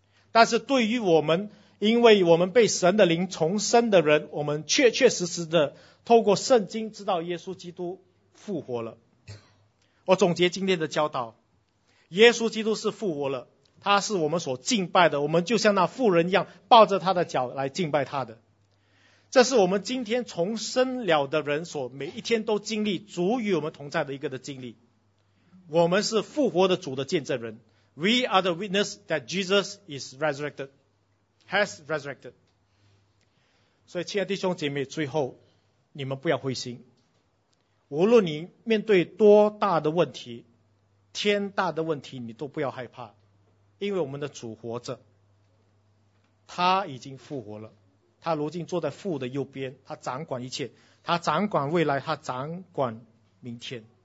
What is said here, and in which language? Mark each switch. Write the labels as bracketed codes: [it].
[zh] 但是对于我们，因为我们被神的灵重生的人，我们确确实实的透过圣经知道耶稣基督复活了。我总结今天的教导，耶稣基督是复活了，他是我们所敬拜的，我们就像那妇人一样抱着他的脚来敬拜他的。这是我们今天重生了的人所每一天都经历主与我们同在的一个的经历。我们是复活的主的见证人。 [en] We are the witness that Jesus is resurrected, has resurrected. [zh] 所以亲爱弟兄姐妹，最后你们不要灰心，无论你面对多大的问题，天大的问题，你都不要害怕，因为我们的主活着，他已经复活了，他如今坐在父的右边，他掌管一切，他掌管未来，他掌管明天。